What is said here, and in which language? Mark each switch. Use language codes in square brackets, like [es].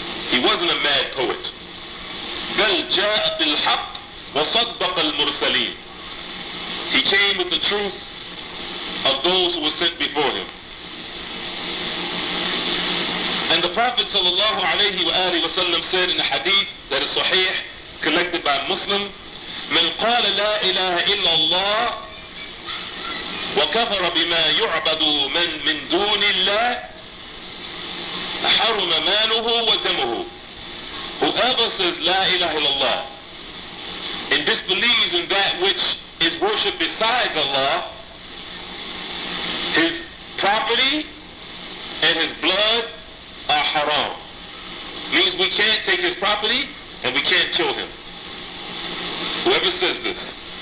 [en] He wasn't a mad poet. [ar] بَلْ جَاءَ بِالْحَقِّ وَصَدَّقَ الْمُرْسَلِينَ. [en] He came with the truth of those who were sent before him. And the Prophet sallallahu alayhi wa sallam said in a hadith that is sahih, collected by Muslim, [ar] من قال لا إله إلا الله وكفر بما يعبد من دون الله حرم ماله ودمه. [en] Whoever says [ar] لا إله إلا الله [en] and disbelieves in that which is worshipped besides Allah, his property and his blood are haram. Means we can't take his property and we can't kill him. Whoever says this.